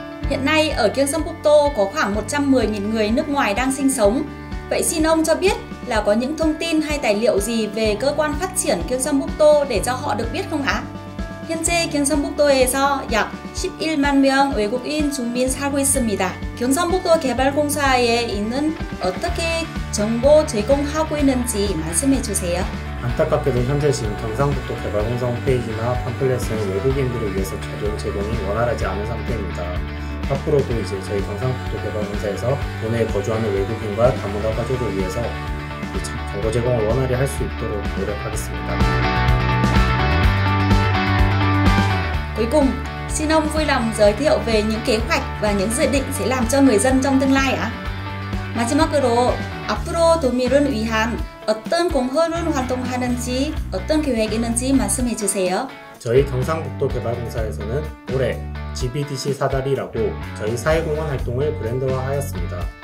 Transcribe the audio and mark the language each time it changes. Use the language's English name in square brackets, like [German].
[Korean] 현재 [Vietnamese] ở Kiêng Sam Buk Do có khoảng 110.000 người nước ngoài đang sinh sống. Vậy xin ông cho biết là có những thông tin hay tài liệu gì về cơ quan phát triển Kiêng Sam Buk Do để cho họ được biết không ạ? [Korean] 현재경상북도에서약11만명외국인주민살고있습니다. 경상북도개발공사에있는어떻게정보제공하고있는지말씀해주세요. 안타깝게도현재지금경상북도개발공사홈페이지나팜플렛은외국인들을위해서자료제공이원활하지않은상태입니다. 앞으로도이제저희경상북도개발공사에서도내에거주하는외국인과다문화가족을위해서정보제공을원활히할수있도록노력하겠습니다. [Vietnamese] Cuối cùng, xin ông vui lòng giới thiệu về những kế hoạch và những dự định sẽ làm cho người dân trong tương lai ạ. [Korean] 마지막으로, 앞으로도민을위한어떤공헌을활동하는지,어떤계획이있는지말씀해주세요. 저희경상북도개발공사에서는올해 GBDC 사다리라고저희사회공헌활동을브랜드화하였습니다.